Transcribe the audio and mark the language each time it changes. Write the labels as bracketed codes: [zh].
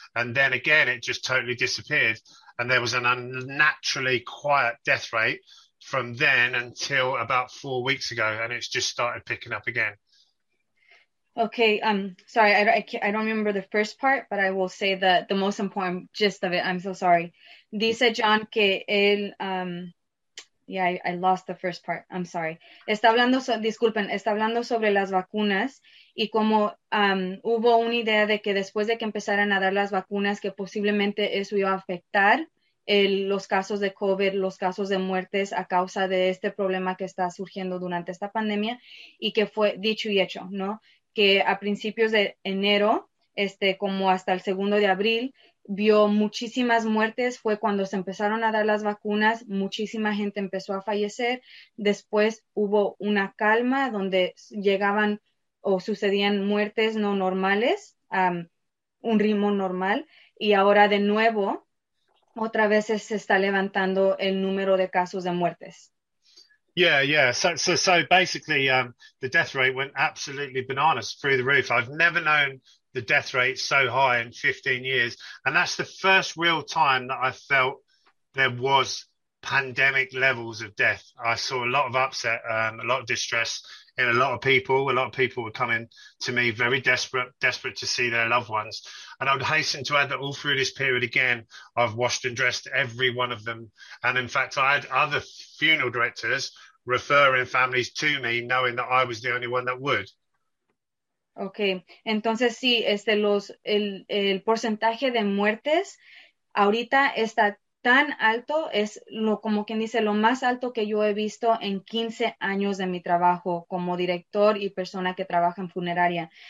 [en] And then again, it just totally disappeared. And there was an unnaturally quiet death rate from then until about 4 weeks ago. And it's just started picking up again. Okay, sorry, I don't remember the first part, but I will say the most important gist of it. I'm so sorry. [es] Dice John que él [en] Yeah, I lost the first part. I'm sorry. [es] Disculpen, está hablando sobre las vacunas y cómo hubo una idea de que después de que empezaran a dar las vacunas, que posiblemente eso iba a afectar los casos de COVID, los casos de muertes a causa de este problema que está surgiendo durante esta pandemia y que fue dicho y hecho, ¿no? Que a principios de enero, como hasta el 2 de abril, vio muchísimas muertes, fue cuando se empezaron a dar las vacunas, muchísima gente empezó a fallecer, después hubo una calma donde llegaban o sucedían muertes no normales, un ritmo normal, y ahora de nuevo, otra vez se está levantando el número de casos de muertes. [en] So basically, the death rate went absolutely bananas through the roof. I've never known the death rate so high in 15 years, and that's the first real time that I felt there was pandemic levels of death. I saw a lot of upset, a lot of distress in a lot of people. A lot of people were coming to me very desperate to see their loved ones. And I would hasten to add that all through this period, again, I've washed and dressed every one of them. And in fact, I had other funeral directors referring families to me, knowing that I was the only one that would. [es] Okay, entonces sí, el porcentaje de muertes ahorita está tan alto, es lo como quien dice, lo más alto que yo he visto en 15 años de mi trabajo como director y persona que trabaja en funeraria.